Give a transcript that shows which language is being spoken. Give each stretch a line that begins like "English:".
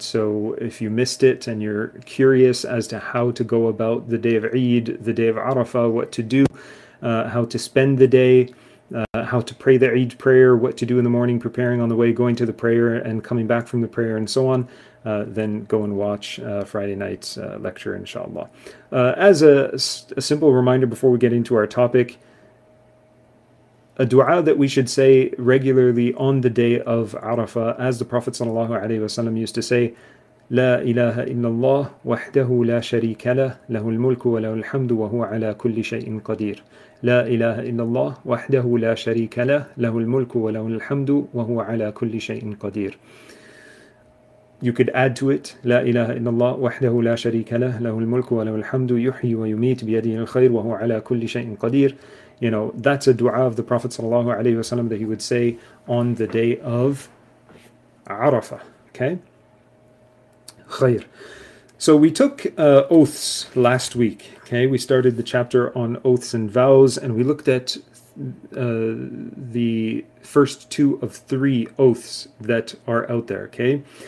English: So if you missed it and you're curious as to how to go about the day of Eid, the day of Arafah, what to do, how to spend the day, how to pray the Eid prayer, what to do in the morning, preparing on the way, going to the prayer and coming back from the prayer and so on, then go and watch Friday night's lecture, inshallah. As a simple reminder before we get into our topic, a dua that we should say regularly on the day of Arafah, as the Prophet ﷺ used to say,
Arabic: لا إله إلا الله وحده لا شريك له له الملك وله الحمد وهو على كل شيء قدير لا إله إلا الله وحده لا شريك له له الملك وله الحمد وهو على كل شيء قدير.
English: You could add to it,
Arabic: لا إله إلا الله وحده لا شريك له له الملك وله الحمد يحيي ويميت بيده الخير وهو على كل شيء قدير.
English: You know, that's a dua of the Prophet sallallahu alayhi wa sallam that he would say on the day of Arafah, okay? Khair. So we took oaths last week, okay? We started the chapter on oaths and vows, and we looked at the first two of three oaths that are out there, okay?